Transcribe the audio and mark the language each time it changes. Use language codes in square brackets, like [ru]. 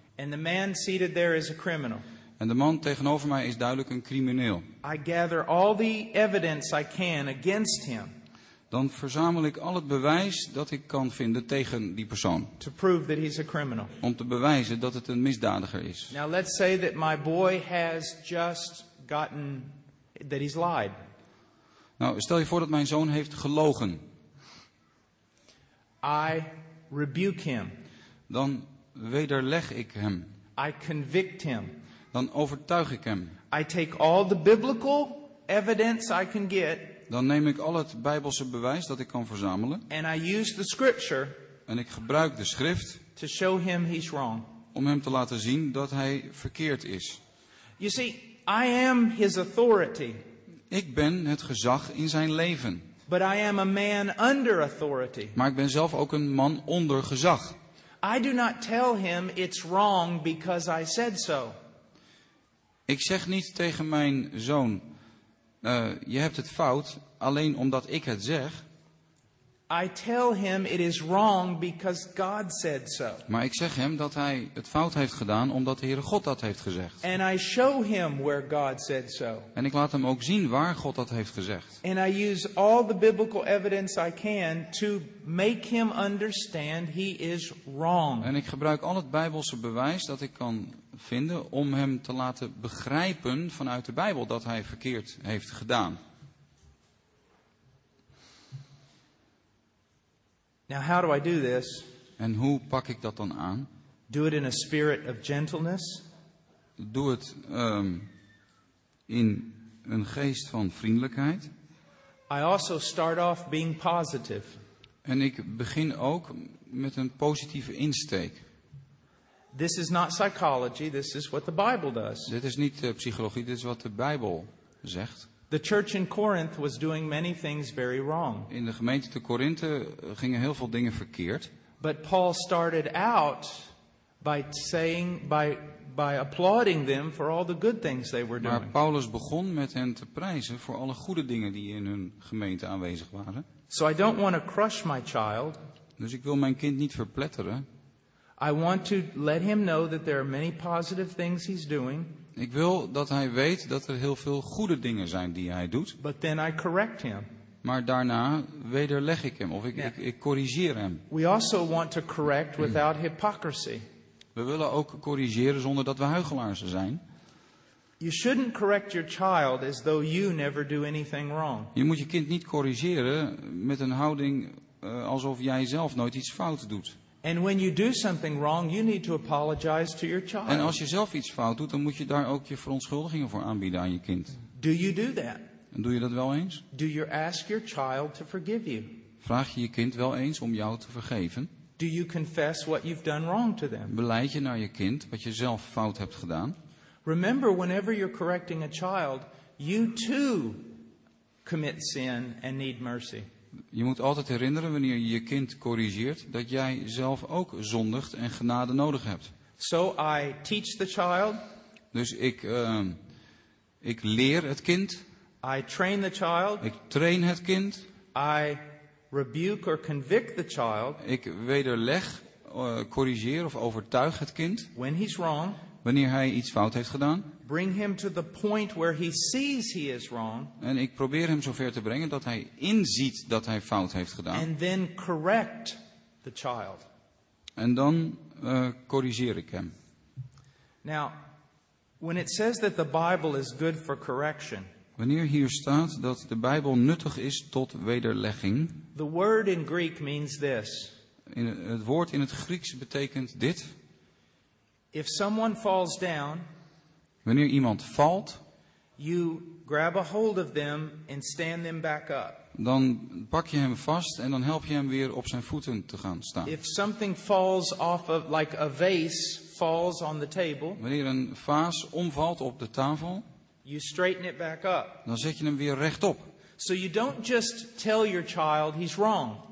[en] And the man seated there is a criminal. [nl] En de man tegenover mij is duidelijk een crimineel. [en] I gather all the evidence I can against him. [nl] Dan verzamel ik al het bewijs dat ik kan vinden tegen die persoon. [en] To prove that he's a criminal. [nl] Om te bewijzen dat het een misdadiger is. [en] Now let's say that my boy has just gotten that he's lied. [nl] Nou, stel je voor dat mijn zoon heeft gelogen. [en] I rebuke him. [nl] Dan wederleg ik hem. [en] I convict him. [nl] Dan overtuig ik hem. [en] I take all the biblical evidence I can get. [nl] Dan neem ik al het Bijbelse bewijs dat ik kan verzamelen. [en] And I use the scripture. [nl] En ik gebruik de schrift. [en] To show him he's wrong. [nl] Om hem te laten zien dat hij verkeerd is. [en] You see, I am his authority. [nl] Ik ben het gezag in zijn leven. [en] But I am a man under authority. [nl] Maar ik ben zelf ook een man onder gezag. [en] I do not tell him it's wrong because I said so. [nl] Ik zeg niet tegen mijn zoon, je hebt het fout alleen omdat ik het zeg. [en] I tell him it is wrong because God said so. [nl] Maar ik zeg hem dat hij het fout heeft gedaan omdat de Heere God dat heeft gezegd. [en] And I show him where God said so. [nl] En ik laat hem ook zien waar God dat heeft gezegd. [en] And I use all the biblical evidence I can to make him understand he is wrong. [nl] En ik gebruik al het Bijbelse bewijs dat ik kan vinden om hem te laten begrijpen vanuit de Bijbel dat hij verkeerd heeft gedaan. [en] Now how do I do this? [nl] En hoe pak ik dat dan aan? [en] Do it in a spirit of gentleness. [nl] Doe het in een geest van vriendelijkheid. [en] I also start off being positive. [nl] En ik begin ook met een positieve insteek. [en] This is not psychology, this is what the Bible does. [nl] Dit is niet psychologie, dit is wat de Bijbel zegt. [en] The church in Corinth was doing many things very wrong. [nl] In de gemeente te Korinthe gingen heel veel dingen verkeerd. [en] But Paul started out by saying by applauding them for all the good things they were doing. [nl] Maar Paulus begon met hen te prijzen voor alle goede dingen die in hun gemeente aanwezig waren. [en] So I don't want to crush my child. [nl] Dus ik wil mijn kind niet verpletteren. [en] I want to let him know that there are many positive things he's doing. [nl] Ik wil dat hij weet dat er heel veel goede dingen zijn die hij doet. [en] But then I correct him. [nl] Maar daarna wederleg ik hem of ik corrigeer hem. [en] We also want to correct without hypocrisy. [nl] We willen ook corrigeren zonder dat we huichelaars zijn. [en] You shouldn't correct your child as though you never do anything wrong. [nl] Je moet je kind niet corrigeren met een houding alsof jij zelf nooit iets fout doet. [en] And when you do something wrong, you need to apologize to your child. [nl] En als je zelf iets fout doet, dan moet je daar ook je verontschuldigingen voor aanbieden aan je kind. [en] Do you do that? [nl] En doe je dat wel eens? [en] Do you ask your child to forgive you? [nl] Vraag je je kind wel eens om jou te vergeven? [en] Do you confess what you've done wrong to them? [nl] Beleid je naar je kind wat je zelf fout hebt gedaan? [en] Remember, whenever you're correcting a child, you too commit sin and need mercy. [nl] Je moet altijd herinneren wanneer je je kind corrigeert dat jij zelf ook zondigt en genade nodig hebt. [en] So I teach the child. [nl] Dus ik leer het kind. [en] I train the child. [nl] Ik train het kind. [en] I rebuke or convict the child. [nl] Ik wederleg, corrigeer of overtuig het kind. [en] When he's wrong. [nl] Wanneer hij iets fout heeft gedaan. [en] Bring him to the point where he sees he is wrong. [nl] En ik probeer hem zover te brengen dat hij inziet dat hij fout heeft gedaan. [en] And then correct the child. [nl] En dan corrigeer ik hem. [en] Now, when it says that the Bible is good for correction. [nl] Wanneer hier staat dat de Bijbel nuttig is tot wederlegging. [en] The word in Greek means this. [nl] Het woord in het Grieks betekent dit. [en] If someone falls down. [nl] Wanneer iemand valt, [en] you grab a hold of them and stand them back up. [nl] Dan pak je hem vast en dan help je hem weer op zijn voeten te gaan staan. [en] If something falls off of, like a vase falls on the table. [nl] Wanneer een vaas omvalt op de tafel, [en] you straighten it back up. [nl] Dan zet je hem weer rechtop. [en] So you don't just tell your child he's wrong.